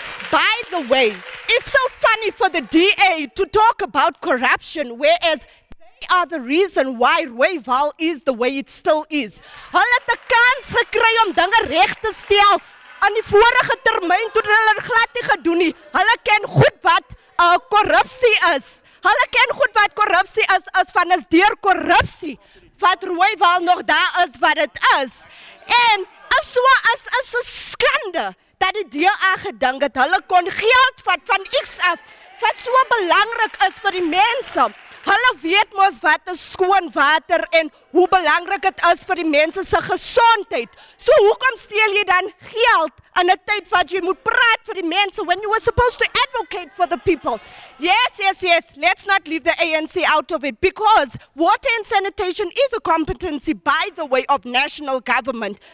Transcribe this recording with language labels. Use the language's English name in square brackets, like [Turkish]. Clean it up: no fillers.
[English] By the way, it's so funny for the DA to talk about corruption, whereas they are the reason why Rooibal is the way it still is. [Afrikaans] Hulle het 'n kans gekry om dinge reg te stel aan die vorige termyn toe hulle glad nie gedoen nie. Hulle ken goed wat korrupsie is. Hulle ken goed wat korrupsie is, as van is deur korrupsie wat Rooibal nog daar is wat dit is. En as 'n skande dat die DA gedink het, hulle kon geld vat van iets af, wat so belangrik is vir die mense. Hulle weet mos wat is skoon water en hoe belangrik het is vir die mense se gesondheid. So hoekom steel jy dan geld in 'n tyd wat jy moet praat vir die mense, [English] when you were supposed to advocate for the people. Yes, yes, yes, let's not leave the ANC out of it, because water and sanitation is a competency, by the way, of national government.